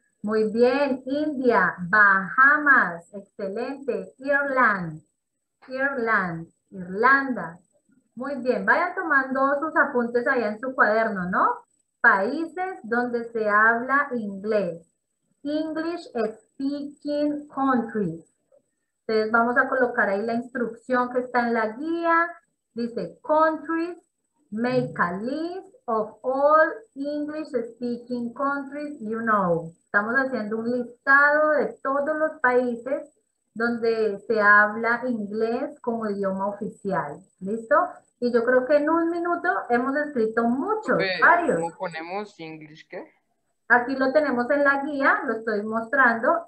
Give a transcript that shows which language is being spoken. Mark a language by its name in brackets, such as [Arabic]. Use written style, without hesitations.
[Spanish] Muy bien, India, Bahamas, excelente, Irlanda. Muy bien, vayan tomando sus apuntes allá en su cuaderno, ¿no? Países donde se habla inglés. [English] English speaking countries. [Spanish] Entonces vamos a colocar ahí la instrucción que está en la guía. [English] Dice, countries, make a list of all English speaking countries you know. [Spanish] Estamos haciendo un listado de todos los países donde se habla inglés como idioma oficial. ¿Listo? Y yo creo que en un minuto hemos escrito muchos, varios. ¿Cómo ponemos English qué? Aquí lo tenemos en la guía, lo estoy mostrando.